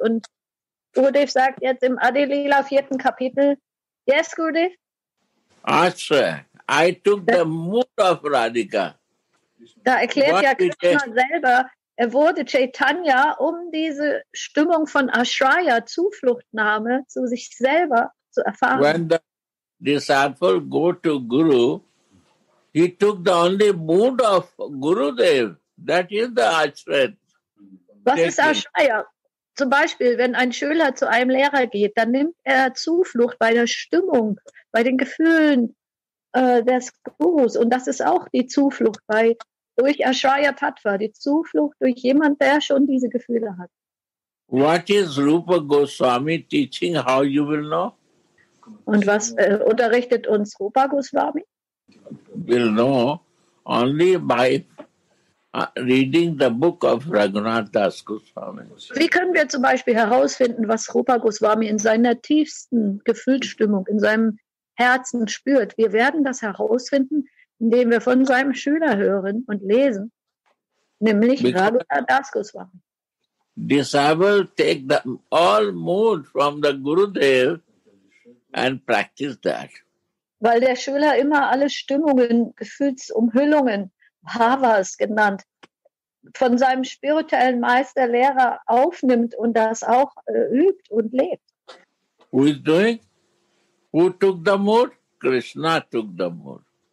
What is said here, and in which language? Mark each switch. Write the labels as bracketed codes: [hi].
[de] Und Gurudev sagt jetzt im Adilila 4. Kapitel, yes, Gurudev? [en] Ashraya, I took the mood of Radhika. [de] Da erklärt ja Krishna selber, er wurde Chaitanya, um diese Stimmung von Ashraya, Zufluchtnahme, zu sich selber zu erfahren. [en] When the disciple go to Guru, he took the only mood of Gurudev, that is the Ashraya. [de] Was ist Ashraya? Zum Beispiel, wenn ein Schüler zu einem Lehrer geht, dann nimmt er Zuflucht bei der Stimmung, bei den Gefühlen des Gurus. Und das ist auch die Zuflucht bei durch Ashraya Tattva, die Zuflucht durch jemanden, der schon diese Gefühle hat. [en] What is Rupa Goswami teaching, how you will know? [de] Und was unterrichtet uns Rupa Goswami? [en] Will know only by reading the book of Raghunath Das Goswami. [de] Wie können wir zum Beispiel herausfinden, was Rupa Goswami in seiner tiefsten Gefühlsstimmung, in seinem Herzen spürt? Wir werden das herausfinden, indem wir von seinem Schüler hören und lesen, nämlich Raghunath Das Goswami. [en] Disciple take the all mood from the Gurudev and practice that. [de] Weil der Schüler immer alle Stimmungen, Gefühlsumhüllungen, Bhavas genannt, von seinem spirituellen Meister, Lehrer aufnimmt und das auch übt und lebt. [en] Who is doing? Who took the mood? Krishna took the mood.